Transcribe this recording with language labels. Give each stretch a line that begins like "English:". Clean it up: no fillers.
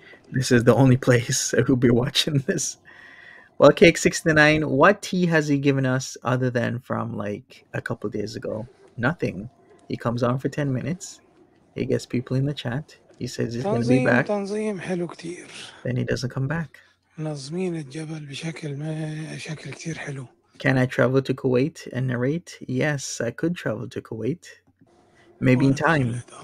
English: This is the only place I will be watching this. Well, Cake 69, what tea has he given us other than from like a couple days ago? Nothing. He comes on for 10 minutes. He gets people in the chat. He says he's going to be back.
Arabic: تنظيم حلو كتير.
English: Then he doesn't come back.
Arabic: نظمين الجبل بشكل كتير حلو.
English: Can I travel to Kuwait and narrate? Yes, I could travel to Kuwait. Maybe in time.